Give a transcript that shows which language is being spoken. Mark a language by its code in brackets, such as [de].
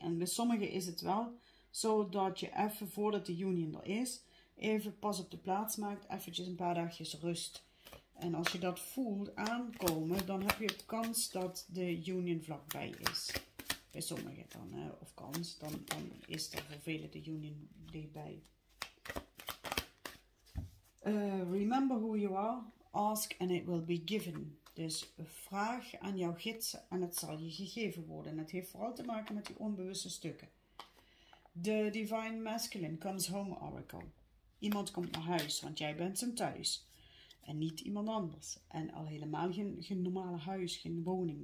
[nl] En bij sommigen is het wel zodat je even voordat de union er is, even pas op de plaats maakt, eventjes een paar dagjes rust. En als je dat voelt aankomen, dan heb je de kans dat de union vlakbij is. Bij sommigen dan, hè, of kans, dan is er voor velen de union dichtbij. [en] Remember who you are, ask and it will be given. [nl] Dus vraag aan jouw gids en het zal je gegeven worden. En het heeft vooral te maken met die onbewuste stukken. [en] The divine masculine comes home oracle. [nl] Iemand komt naar huis, want jij bent zijn thuis. En niet iemand anders. En al helemaal geen normale huis, geen woning.